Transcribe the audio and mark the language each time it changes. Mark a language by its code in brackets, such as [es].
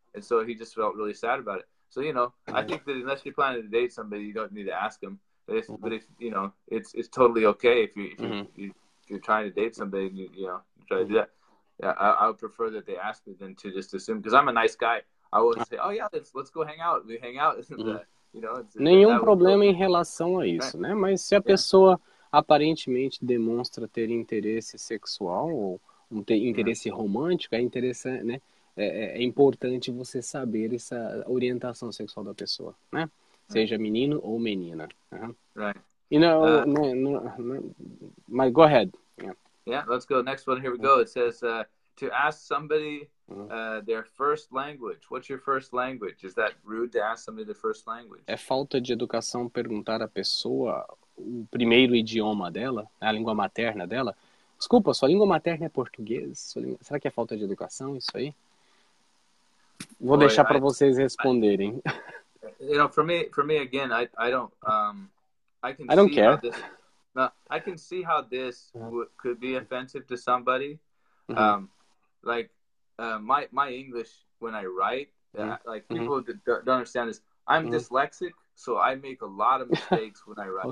[en] And so he just felt really sad about it. So, you know, I think that unless you're planning to date somebody, you don't need to ask them. But if, you know, it's totally okay if you're trying to date somebody and you know, try to do that. Yeah, I would prefer that they ask me than to just assume. Because I'm a nice guy. I would say, oh yeah, let's go hang out. We hang out. [pt] Nenhum problema em relação a isso, né? Mas se a pessoa aparentemente demonstra ter interesse sexual ou ter interesse romântico, é interessante, né? É importante você saber essa orientação sexual da pessoa, né? Seja menino ou menina. [en] Right. No, go ahead. Yeah, let's go. Next one. Here we go. It says to ask somebody their first language. What's your first language? Is that rude to ask somebody their first language? [pt] É falta de educação perguntar à pessoa o primeiro idioma dela, a língua materna dela. Desculpa, sua língua materna é português? Será que é falta de educação isso aí? Vou deixar para vocês responderem. [en] You know, for me again, I don't I can I don't see care. I can see how this could be offensive to somebody. Mm-hmm. My English when I write, people don't understand this. I'm dyslexic, so I make a lot of mistakes when I write.